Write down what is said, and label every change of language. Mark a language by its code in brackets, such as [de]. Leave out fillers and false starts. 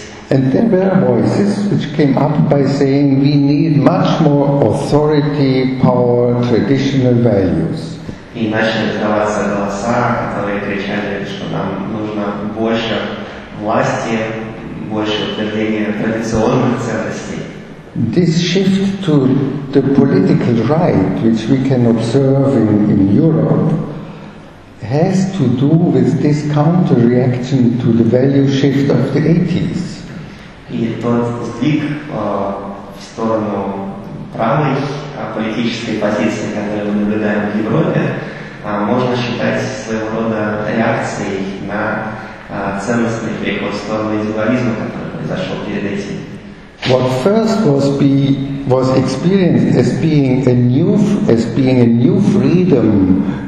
[en] and there were voices which came up by saying we need much more authority, power, traditional values. [ru] И начали раздаваться голоса, которые кричали, что нам нужно больше власти, больше утверждения традиционных ценностей. [en] This shift to the political right, which we can observe in Europe, has to do with this counter-reaction to the value shift of the 80s. [ru] И тот сдвиг в сторону правой политической позиции, которую мы наблюдаем в Европе, можно считать своего рода реакцией на ценностный переход в сторону индивидуализма, который произошел перед этим. [en] What first was was experienced as being a new freedom.